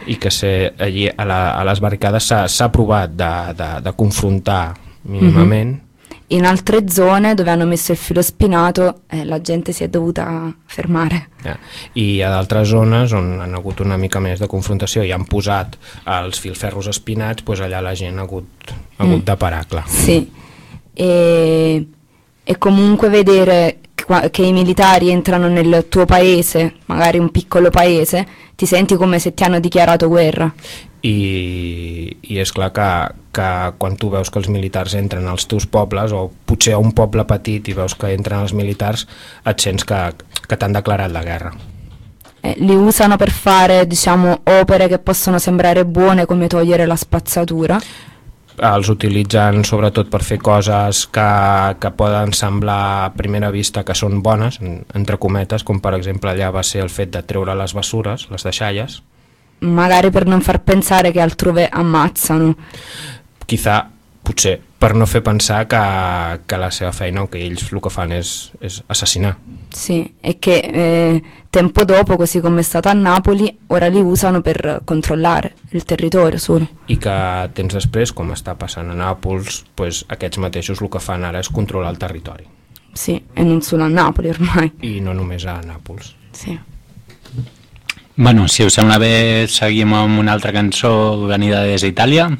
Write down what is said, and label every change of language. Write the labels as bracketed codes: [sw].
[ca] I que se allí a les barricades s'ha provat de confrontar mínimament. Mm-hmm. [it] In altre zone dove hanno messo il filo spinato la gente si è dovuta fermare. [ca] I ad altre zone on han hagut una mica més de confrontació i han posat els filferros espinats, pues allà la gent ha hagut de parar, clar. [it] Sí, e comunque vedere che i militari entrano nel tuo paese, magari un piccolo paese, ti senti come se ti hanno dichiarato guerra. [ca] I és clar que quan tu veus que els militars entren als teus pobles, o potser a un poble petit i veus que entren els militars, et sents que t'han declarat la guerra. [it] Li usano per fare, diciamo, opere che possono sembrare buone, come togliere la spazzatura. [ca] Els utilitzen sobretot per fer coses que poden semblar a primera vista que són bones, entre cometes, com per exemple allà va ser el fet de treure les basures, les deixalles. [it] Magari per non far pensare che altrove ammazzano. [ca] Quizà, potser, per no fer pensar que la seva feina o que ells el que fan és assassinar. [it] Sì, e che tempo dopo, così come è stato a Napoli, ora li usano per controllare il territorio solo. [ca] I que temps després, com està passant a Nàpols, pues aquests mateixos el que fan ara és controlar el territori. [it] Sì, e non solo a Napoli ormai. [ca] I no només a Nàpols. [it] Sì. [ca] Bueno, si us sembla bé, seguim amb una altra cançó venida des d'Itàlia.